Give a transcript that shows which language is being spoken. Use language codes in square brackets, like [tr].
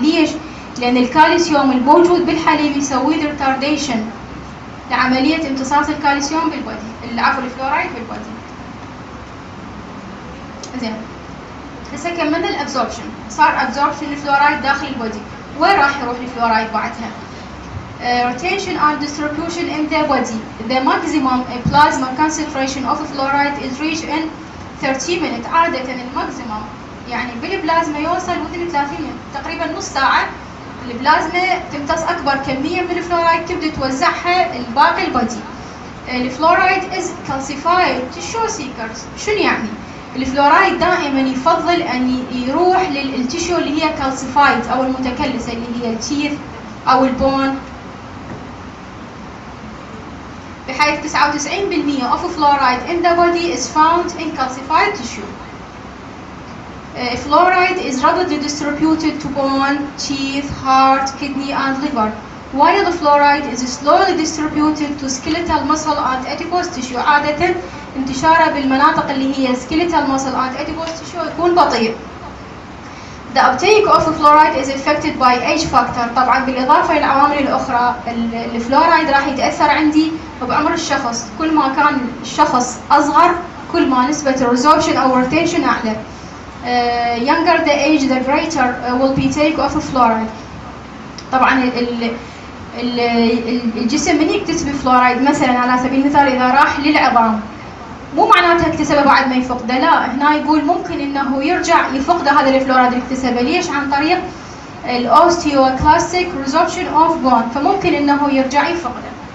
[ar] ليش؟ لأن الكالسيوم الموجود بالحليب يسوي ريتارديشن لعملية امتصاص الكالسيوم بالبودي، عفوا الفلورايد بالبودي. زين، هسه كملنا الأبزوربشن، صار أبزوربشن الفلورايد داخل البودي، وين راح يروح الفلورايد بعدها؟ [en] rotation and distribution in the body. The maximum plasma concentration of fluoride is reached in 30 minute. [ar] عادة الماكسيمم يعني بالبلازما يوصل [en] within 30 [ar] منت، تقريبا نص ساعة البلازما تمتص اكبر كميه من الفلورايد تبدا توزعها الباقي البادي. [en] الفلورايد is calcified tissue seekers. [ar] شنو يعني الفلورايد؟ دائما يفضل ان يروح للتشو اللي هي كالسيفايد او المتكلسه اللي هي التيث او البون، بحيث [en] 99% of fluoride in the body is found in calcified tissue. Fluoride is rapidly distributed to bone, teeth, heart, kidney and liver. While the fluoride is slowly distributed to skeletal muscle and adipose tissue. [ar] عادة انتشاره بالمناطق اللي هي [en] skeletal muscle and adipose tissue [ar] يكون بطيء. [en] The uptake of fluoride is affected by age factor. [ar] طبعا بالإضافة للعوامل الأخرى، الفلورايد راح يتأثر عندي بعمر الشخص. كل ما كان الشخص أصغر كل ما نسبة resorption أو retention أعلى. [en] Younger the age the greater will be take of fluoride. [ar] طبعا الجسم من يكتسب فلورايد، مثلا على سبيل المثال إذا راح للعظام، مو معناته اكتسبه بعد ما يفقده، لا، هنا يقول ممكن انه يرجع يفقده هذا الفلورايد اللي اكتسبه. ليش؟ عن طريق الاوستيوكلاستيك ريزوربشن اوف بون، فممكن انه يرجع يفقده.